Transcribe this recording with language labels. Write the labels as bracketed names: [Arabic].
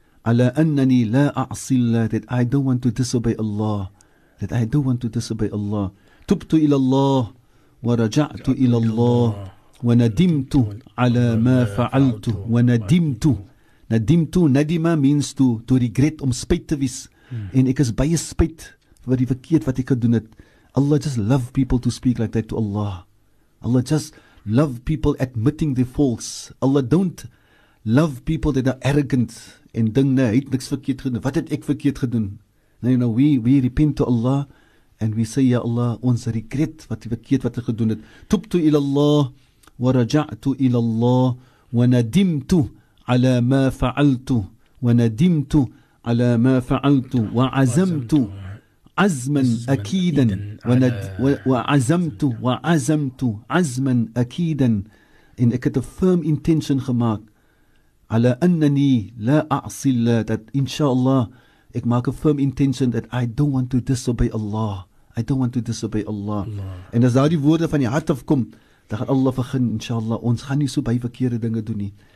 [Arabic] Ala annani la a'asilla. [English] That I don't want to disobey Allah. That I don't want to disobey Allah. [Arabic] Tubtu ila Allah. Wa raja'tu ila Allah. وَنَدِمْتُ عَلَى مَا فَعَلْتُ وَنَدِمْتُ نَدِمْتُ نَدِمَ [English] means to regret [Afrikaans] om spijt te wees. And ek is baie spijt vir die verkeerd wat ek gedoen het. [English] Allah just love people to speak like that to Allah. Allah just love people admitting their faults. Allah don't love people that are arrogant and [Afrikaans] ding nee, het niks verkeerd gedoen. Wat het ek verkeerd gedoen? [English] No, we repent to Allah and we say, Ya Allah, [Afrikaans] ons regret wat die verkeerd wat ek gedoen het. [Arabic] Tubtu ila Allah وَرَجَعْتُ إِلَى اللَّهِ وَنَدِمْتُ عَلَى مَا فَعَلْتُ وَنَدِمْتُ عَلَى مَا فَعَلْتُ وَعَزَمْتُ عَزْمًا أَكِيدًا وَعَزَمْتُ عَزْمًا أَكِيدًا. [English] And I get a firm intention gemaakt [Arabic] على أنني لا أعصي الله, [English] that inshallah I make a firm intention that I don't want to disobey Allah. I don't want to disobey Allah. [Afrikaans] And as daardie woorde van die hart afkom, dan gaan Allah begin, inshallah, ons gaan nie so baie verkeerde dinge doen nie.